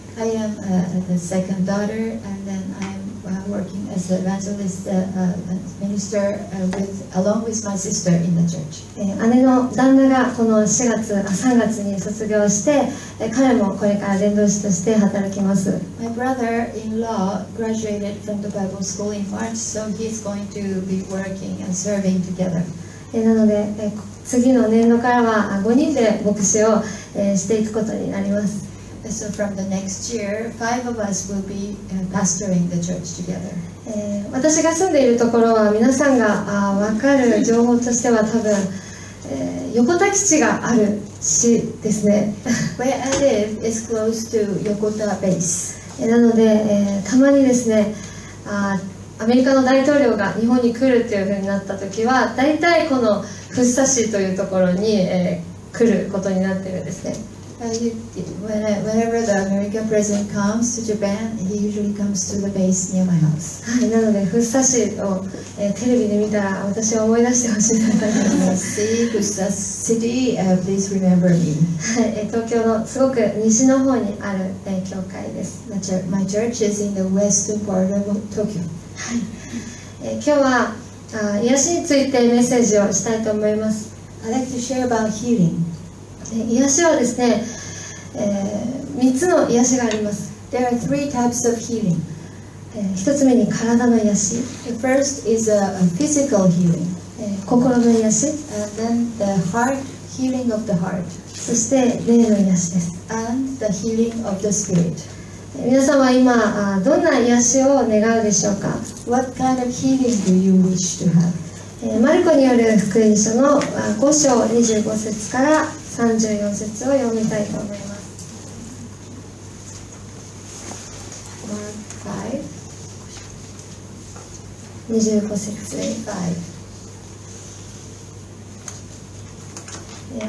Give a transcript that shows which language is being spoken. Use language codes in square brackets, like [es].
[en] I am the second daughter and then I am working as an evangelist minister along with my sister in the church. [ja] 姉の旦那がこの4月、3月に卒業して、彼もこれから伝道師として働きます。 [en] My brother-in-law graduated from the Bible school in March, so he's going to be working and serving together. [ja] なので、次の年度からは5人で牧師を、していくことになります。 [en] So from the next year, five of us will be pastoring the church together. [ja] 私が住んでいるところは皆さんが分かる情報としては多分、横田基地がある市ですね。 [en] Where I live is close to Yokota base. [ja] なので、たまにですね、アメリカの大統領が日本に来るっていうふうになった時は、大体この福生市というところに、来ることになっているんですね。 [en] Whenever the American president comes to Japan, he usually comes to the base near my house. [ja] はい、なので福生市を、テレビで見たら私を思い出してほしいと思います [en] 。 See, 福生 City, please remember me. [ja] はい、東京のすごく西の方にある、教会です。 [en] My church is in the western part of Tokyo. [ja] はい、今日は癒しについてメッセージをしたいと思います。 [en] I'd like to share about healing. [ja] 癒しはですね、3つの癒しがあります。 [en] There are three types of healing. [ja] 一つ目に体の癒し。 [en] The first is a physical healing. [ja] 心の癒し。 [en] And then the heart healing of the heart. [ja] そして霊の癒しです。 [en] And the healing of the spirit. [ja] 皆さんは今どんな癒しを願うでしょうか。 [en] What kind of healing do you wish to have? [ja] マルコによる福音書の5章25節から34節を読みたいと思います。 [en] Mark 5 25節 25。